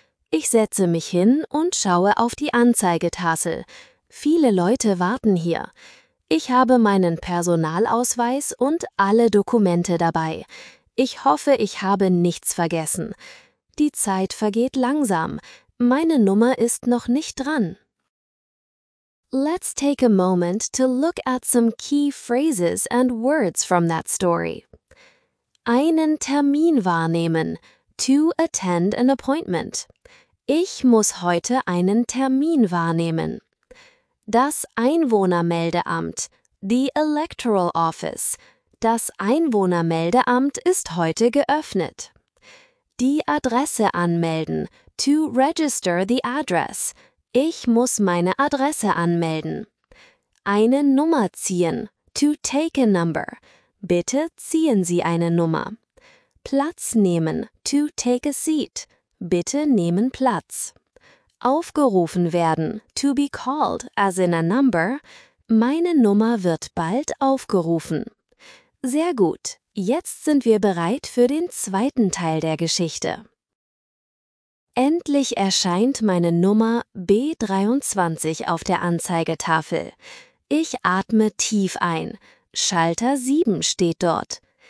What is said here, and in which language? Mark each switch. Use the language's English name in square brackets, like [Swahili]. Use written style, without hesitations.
[German] Ich setze mich hin und schaue auf die Anzeigetafel. Viele Leute warten hier. Ich habe meinen Personalausweis und alle Dokumente dabei. Ich hoffe, ich habe nichts vergessen. Die Zeit vergeht langsam. Meine Nummer ist noch nicht dran. [English] Let's take a moment to look at some key phrases and words from that story. [German] Einen Termin wahrnehmen. [English] To attend an appointment. [German] Ich muss heute einen Termin wahrnehmen. Das Einwohnermeldeamt. [English] The Electoral Office. [German] Das Einwohnermeldeamt ist heute geöffnet. Die Adresse anmelden. [English] To register the address. [German] Ich muss meine Adresse anmelden. Eine Nummer ziehen. [English] To take a number. [German] Bitte ziehen Sie eine Nummer. Platz nehmen. [English] To take a seat. [German] Bitte nehmen Platz. Aufgerufen werden. [English] To be called, as in a number. [German] Meine Nummer wird bald aufgerufen. Sehr gut. Jetzt sind wir bereit für den zweiten Teil der Geschichte. Endlich erscheint meine Nummer B23 auf der Anzeigetafel. Ich atme tief ein. Schalter 7 steht dort.